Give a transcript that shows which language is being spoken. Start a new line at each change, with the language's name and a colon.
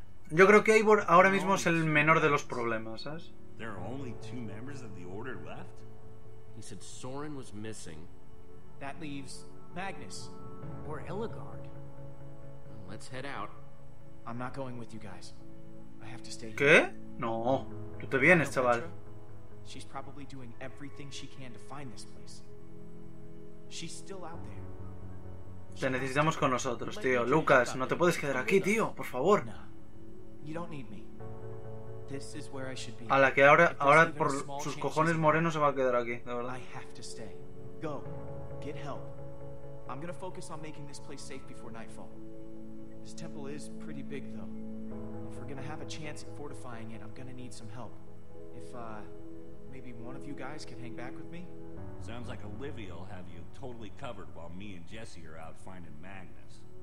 Spanish: Yo creo que Ivor ahora mismo es el menor de los problemas, ¿sabes?
English: There are only two members of the order left. He said Soren was missing. That leaves Magnus or Illigard. Let's head out. I'm not going with you guys. I have to stay
Spanish: ¿Qué? No. Tú te vienes, chaval.
English: She's probably doing everything she can to find this place. She's still out there.
Spanish: Te necesitamos con nosotros, tío. Lucas, no te puedes quedar aquí, tío. Por favor.
English: You don't need me. This is where I should be.
Spanish: A la que ahora por sus cojones morenos se va a quedar aquí, de verdad.
English: I have to stay. Go. Get help. I'm gonna focus on making this place safe before nightfall. This temple is pretty big, though. If we're gonna have a chance at fortifying it, I'm gonna need some help. If maybe one of you guys can hang back with me. Sounds like Olivia'll have you totally covered while me and Jesse are out finding Magnus.